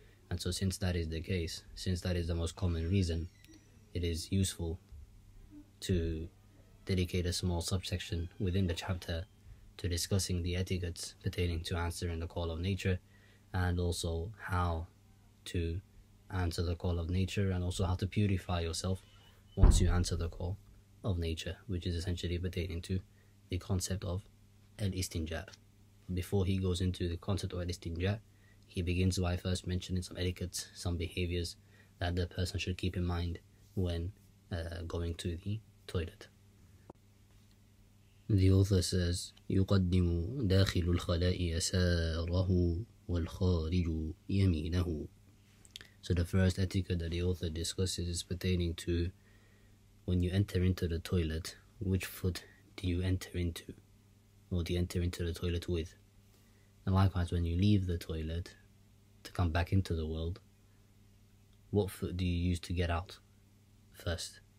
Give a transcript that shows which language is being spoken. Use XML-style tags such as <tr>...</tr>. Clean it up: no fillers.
<en>And so since that is the case, since that is the most common reason, it is useful to dedicate a small subsection within the chapter to discussing the etiquettes pertaining to answering the call of nature, and also how to answer the call of nature, and also how to purify yourself once you answer the call of nature, which is essentially pertaining to the concept of al-istinja. Before he goes into the concept of al-istinja, he begins by first mentioning some etiquettes, some behaviors that the person should keep in mind when going to the toilet. The author says,</en> <ar>يقدم داخل الخلاء يساره والخارج يمينه.</ar> <en>So the first etiquette that the author discusses is pertaining to when you enter into the toilet, which foot do you enter into, or do you enter into the toilet with? And likewise, when you leave the toilet to come back into the world, what foot do you use to get out first?</en>